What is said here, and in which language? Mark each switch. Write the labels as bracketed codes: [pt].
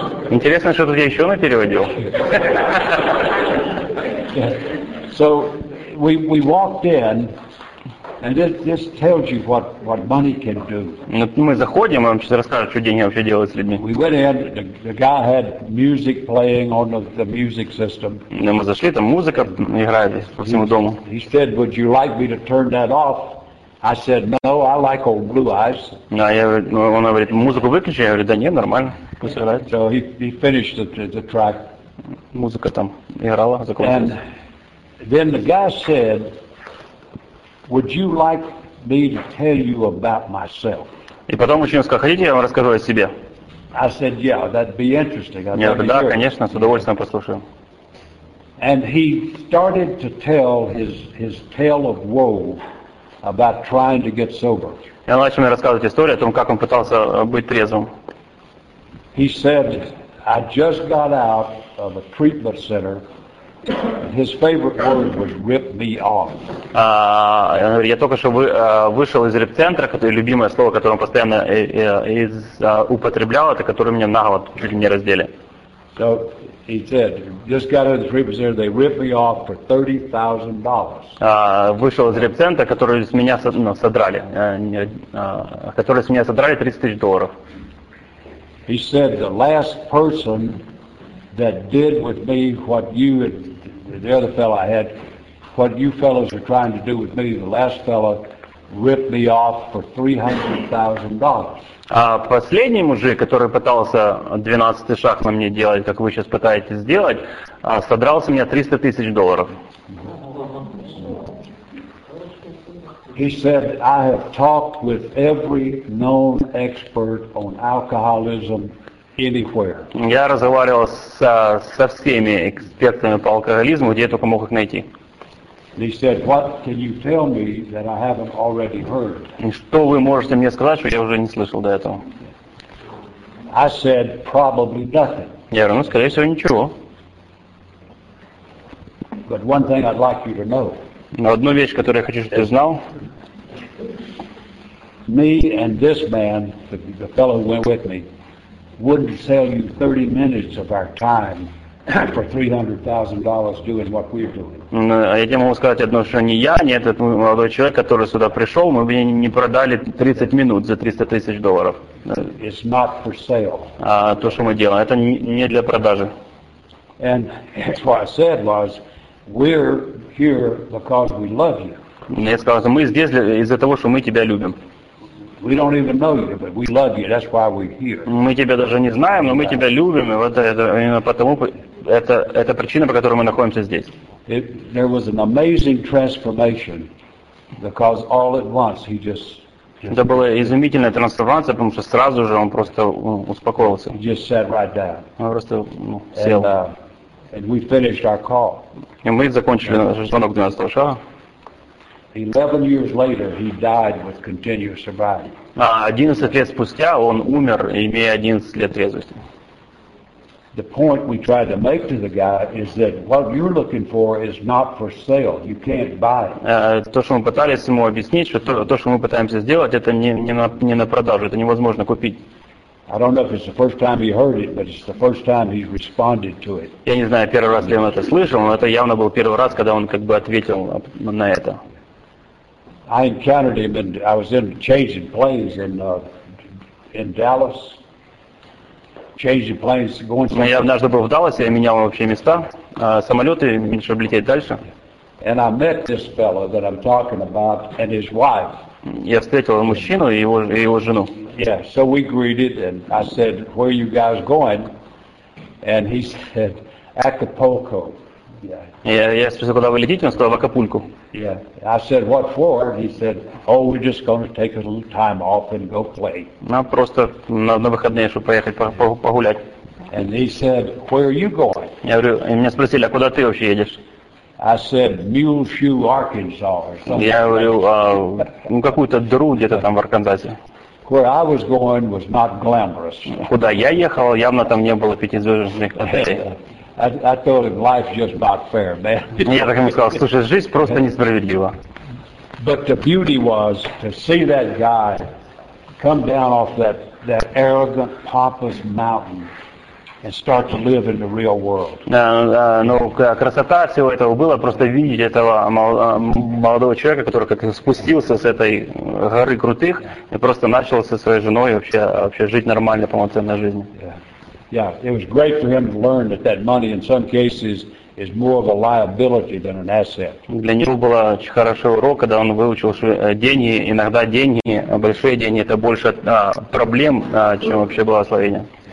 [ru] Интересно, что тут я еще напереводил. [en] So we walked in, and this tells you what money can do. [ru] Мы заходим, он сейчас расскажет, что деньги вообще делают с людьми. [en] We went in, the guy had music playing on the music system. [ru] Мы зашли, там музыка играет по всему дому. [en] He said, "Would you like me to turn that off?" I said, "No, I like old Blue Eyes." [ru] Да, я, он говорит, музыку выключи. Я говорю, да нет, нормально, пусть играет. [en] So he finished the track. [ru] Музыка там играла, закончилась. [en] And then the guy said, "Would you like me to tell you about myself?" [ru] И потом мужчина сказал, хотите, я вам расскажу о себе. [en] I said, "Yeah, that'd be interesting." [ru] Я говорю, да, конечно, с удовольствием послушаю. [en] And he started to tell his tale of woe about trying to get sober. [ru] Я начал мне рассказывать историю о том, как он пытался быть трезвым. [en] He said, "I just got out of a treatment center." His favorite word was "rip me off." [ru] Я только что вышел из реп-центра, которое любимое слово, которое он постоянно употреблял, это которое мне нагло чуть ли не раздели. [en] So he said, "Just got out of the treatment center. They ripped me off for $30,000." [ru] Вышел из реп-центра, который с меня содрали $30,000. [en] He said, "The last person that did with me what you had." The other fellow I had, what you fellows are trying to do with me, the last fellow ripped me off for $300,000. [ru] А последний мужик, который пытался 12-й шаг на мне делать, как вы сейчас пытаетесь сделать, содрал с меня $300,000. [en] He said, "I have talked with every known expert on alcoholism." [ru] Я разговаривал со всеми экспертами по алкоголизму, где я только мог их найти. [en] He said, "What can you tell me that I haven't already heard?" [ru] Что вы можете мне сказать, что я уже не слышал до этого? [en] I said, "Probably nothing." [ru] Я говорю, ну, скорее всего, ничего. [en] But one thing I'd like you to know. [ru] Но одну вещь, которую я хочу, чтобы ты знал. [en] Me and this man, the fellow who went with me. Wouldn't sell you 30 minutes of our time for $300,000 doing what we're doing. [ru] Я тебе могу сказать одно, что не я, не этот молодой человек, который сюда пришел, мы бы не продали 30 минут за $300,000. [en] It's not for sale. [ru] А то, что мы делаем, это не для продажи. [en] And that's what I said was, we're here because we love you. [ru] Я сказал, мы здесь из-за того, что мы тебя любим. [en] We don't even know you, but we love you. That's why we're here. [ru] Мы тебя даже не знаем, но мы тебя любим, и вот это именно потому это причина, по которой мы находимся здесь. [en] There was an amazing transformation because all at once he just. [ru] Это была изумительная трансформация, потому что сразу же он просто успокоился. [en] Just sat right down. [ru] Он просто сел. [en] And we finished our call. [ru] И мы закончили наш звонок 12-го шага. [en] 11 years later, he died with continuous sobriety. [ru] 11 лет спустя он умер, имея 11 лет трезвости. [en] The point we tried to make to the guy is that what you're looking for is not for sale. You can't buy it. [ru] То, что мы пытались ему объяснить, что то, что мы пытаемся сделать, это не на продажу, это невозможно купить. [en] I don't know if it's the first time he heard it, but it's the first time he's responded to it. [ru] Я не знаю, первый раз ли он это слышал, но это явно был первый раз, когда он как бы ответил на это. [en] I encountered him, and I was in changing planes in Dallas. Changing planes, going. [ru] Но я однажды был в Далласе, я менял вообще места, самолеты, чтобы лететь дальше. [en] And I met this fellow that I'm talking about and his wife. [ru] Я встретил мужчину и его жену. [en] Yeah, so we greeted, and I said, "Where are you guys going?" And he said, "Acapulco." Yeah. [ru] Я спросил, куда вы летите, он сказал, в Акапулько. [en] Yeah. I said, "What for?" He said, "Oh, we're just going to take a little time off and go play." [ru] Нам просто на выходные, чтобы поехать погулять. [en] And he said, "Where are you going?" [ru] Я говорю, и меня спросили, а куда ты вообще едешь? [en] I said, "Mule Shoe, Arkansas." [ru] Я говорю, какую-то дыру где-то там в Арканзасе. [en] Where I was going was not glamorous. [ru] Куда я ехал, явно там не было пятизвездочных отелей. [en] I told him life's just not fair, man. [ru] Я так ему сказал, слушай, жизнь просто несправедлива. [en] But the beauty was to see that guy come down off that arrogant, pompous mountain and start to live in the real world. [ru] Ну, красота всего этого было просто видеть этого молодого человека, который как спустился с этой горы крутых и просто начал со своей женой вообще жить нормально, полноценной жизнью. [en] Yeah, it was great for him to learn that money in some cases is more of a liability than an asset. [ru] Для него был очень хороший урок, когда он выучил, что деньги, иногда деньги, большие деньги, это больше проблем, чем вообще благословение.